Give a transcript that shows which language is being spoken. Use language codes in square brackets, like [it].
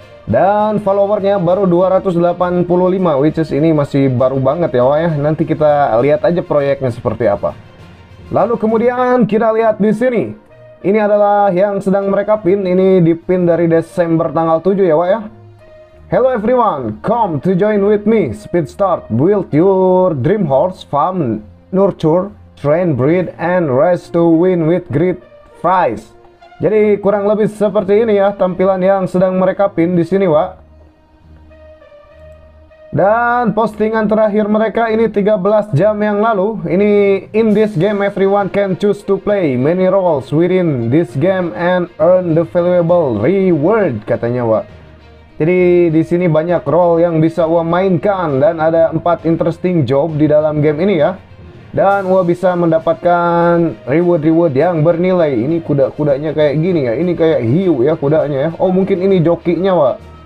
[id] Dan followernya baru 285, [en] which is [id] ini masih baru banget ya Wak ya. Nanti kita lihat aja proyeknya seperti apa. Lalu kemudian kita lihat di sini. Ini adalah yang sedang mereka pin, ini dipin dari Desember tanggal 7 ya Wak ya. [en] Hello everyone, come to join with me, speed start, build your dream horse, farm, nurture, train, breed, and race to win with great prize. [id] Jadi kurang lebih seperti ini ya tampilan yang sedang mereka pin di sini, Wak. Dan postingan terakhir mereka ini 13 jam yang lalu. [en] Ini, in this game everyone can choose to play many roles within this game and earn the valuable reward, [id] katanya Wak. Jadi di sini banyak role yang bisa Wak mainkan dan ada 4 interesting job di dalam game ini ya. Dan gua bisa mendapatkan reward-reward yang bernilai. Ini kuda-kudanya kayak gini ya. Ini kayak hiu ya kudanya ya. Oh, mungkin ini jokinya, Wak.